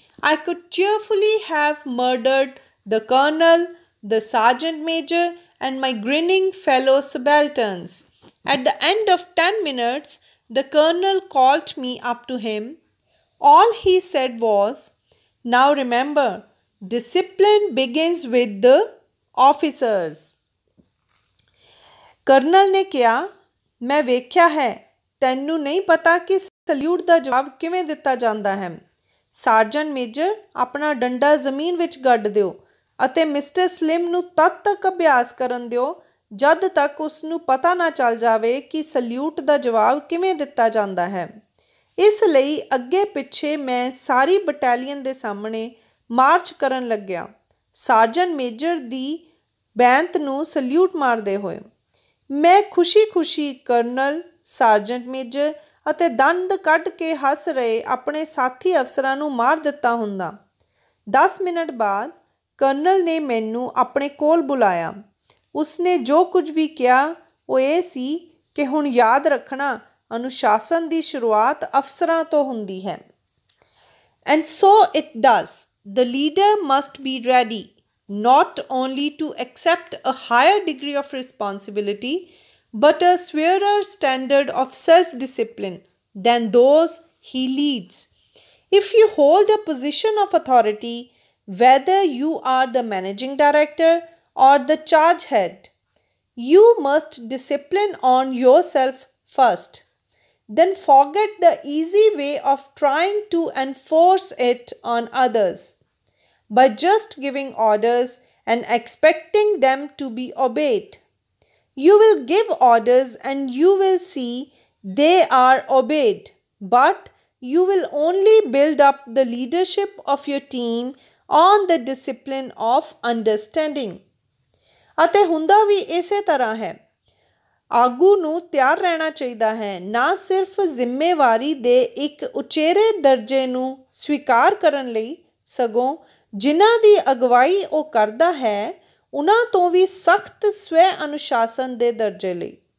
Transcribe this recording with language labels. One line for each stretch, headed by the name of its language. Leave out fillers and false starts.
English: I could cheerfully have murdered the colonel, the sergeant major, and my grinning fellow subalterns. At the end of 10 minutes, the colonel called me up to him. All he said was, "Now remember, discipline begins with the officers."
Punjabi: Colonel ਨੇ ਕਿਹਾ, ਮੈਂ ਵੇਖਿਆ ਹੈ ਤੈਨੂੰ ਨਹੀਂ ਪਤਾ ਕਿ salute ਦਾ ਜਵਾਬ ਕਿਵੇਂ ਦਿੱਤਾ ਜਾਂਦਾ ਹੈ। ਸਾਰਜਨ ਮੇਜਰ, ਆਪਣਾ ਡੰਡਾ ਜ਼ਮੀਨ ਵਿੱਚ ਗੱਡ ਦਿਓ ਅਤੇ ਮਿਸਟਰ ਸਲਿਮ ਨੂੰ ਤਦ ਤੱਕ ਅਭਿਆਸ ਕਰਨ ਦਿਓ ਜਦ ਤੱਕ ਉਸਨੂੰ ਪਤਾ ਨਾ ਚੱਲ ਜਾਵੇ ਕਿ ਸਲਿਊਟ ਦਾ ਜਵਾਬ ਕਿਵੇਂ ਦਿੱਤਾ ਜਾਂਦਾ ਹੈ। ਇਸ ਲਈ ਅੱਗੇ ਪਿੱਛੇ ਮੈਂ ਸਾਰੀ ਬਟੈਲੀਅਨ ਦੇ ਸਾਹਮਣੇ ਮਾਰਚ ਕਰਨ ਲੱਗਿਆ, ਸਾਰਜਨ ਮੇਜਰ ਦੀ ਬੈਂਤ ਨੂੰ ਸਲਿਊਟ ਮਾਰਦੇ ਹੋਏ। ਮੈਂ ਖੁਸ਼ੀ ਖੁਸ਼ੀ ਕਰਨਲ, ਸਾਰਜੈਂਟ ਮੇਜਰ ਅਤੇ ਦੰਦ ਕੱਢ ਕੇ ਹੱਸ ਰਹੇ ਆਪਣੇ ਸਾਥੀ ਅਫਸਰਾਂ ਨੂੰ ਮਾਰ ਦਿੱਤਾ ਹੁੰਦਾ। 10 ਮਿੰਟ ਬਾਅਦ ਕਰਨਲ ਨੇ ਮੈਨੂੰ ਆਪਣੇ ਕੋਲ ਬੁਲਾਇਆ। ਉਸਨੇ ਜੋ ਕੁਝ ਵੀ ਕਿਹਾ ਉਹ ਇਹ ਸੀ ਕਿ ਹੁਣ ਯਾਦ ਰੱਖਣਾ, ਅਨੁਸ਼ਾਸਨ ਦੀ ਸ਼ੁਰੂਆਤ ਅਫਸਰਾਂ ਤੋਂ ਹੁੰਦੀ ਹੈ।
English: And so it does, the leader must be ready not only to accept a higher degree of responsibility but a swearer standard of self-discipline than those he leads. If you hold a position of authority, whether you are the managing director or the charge head, you must discipline on yourself first. Then forget the easy way of trying to enforce it on others by just giving orders and expecting them to be obeyed. You will give orders and you will see they are obeyed, but you will only build up the leadership of your team on the discipline of understanding.
Punjabi: ਅਤੇ ਹੁੰਦਾ ਵੀ ਇਸੇ ਤਰ੍ਹਾਂ ਹੈ। ਆਗੂ ਨੂੰ ਤਿਆਰ ਰਹਿਣਾ ਚਾਹੀਦਾ ਹੈ, ਨਾ ਸਿਰਫ ਜ਼ਿੰਮੇਵਾਰੀ ਦੇ ਇੱਕ ਉਚੇਰੇ ਦਰਜੇ ਨੂੰ ਸਵੀਕਾਰ ਕਰਨ ਲਈ, ਸਗੋਂ ਜਿਨ੍ਹਾਂ ਦੀ ਅਗਵਾਈ ਉਹ ਕਰਦਾ ਹੈ ਉਹਨਾਂ ਤੋਂ ਵੀ ਸਖ਼ਤ ਸਵੈ ਅਨੁਸ਼ਾਸਨ ਦੇ ਦਰਜੇ ਲਈ।